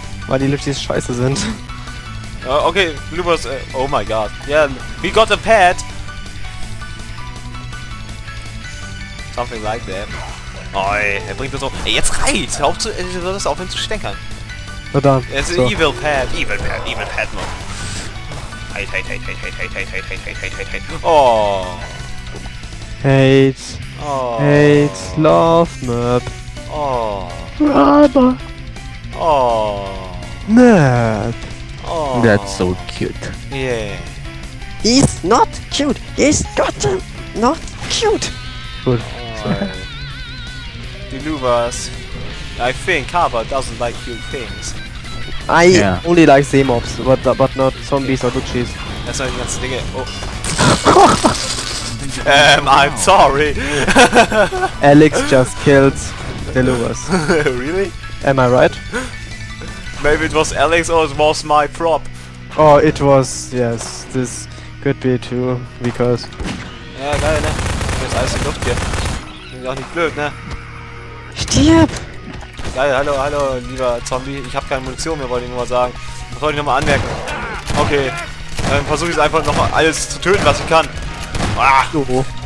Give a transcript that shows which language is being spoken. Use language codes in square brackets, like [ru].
[de] Weil die Luchis scheiße sind. Okay, [en] Lubos, oh my god. Yeah, we got a pet! Something like that. [de] Oi, er bringt uns auch. Ey, jetzt reicht's! Hör auf zu. Du solltest aufhören zu stänkern. Na dann. Er ist ein [en] Evil Pet. Evil Pet, Evil Pet, man. Hate, hate, hate, hate, hate, hate, hate, hate, hate, hate, hate, hate. Oh. Hate. Oh. Hate. Love, Merp. Oh. Rubber. Oh. Merp. Oh. That's so cute. Yeah. He's not cute. He's gotten not cute. Cool. The Luvas. I think Kaba doesn't like cute things. I only like Seemobs, but not zombies or Luchis. That's not the [de] ganze Dinge. [en] Oh. I'm sorry. Alex just killed the Luvas. Really? Am I right? Maybe it was Alex or it was my prop. Oh, it was, yes. This could be too, because... [de] Ja, geil, ne? Jetzt alles in Luft hier. Bin auch nicht blöd, ne? Stirb! Geil, hallo, hallo, lieber Zombie. Ich hab keine Munition mehr, wollte ich nur mal sagen. Das wollte ich nochmal anmerken. Okay. Dann versuch ich es einfach nochmal alles zu töten, was ich kann. Ah! Oho.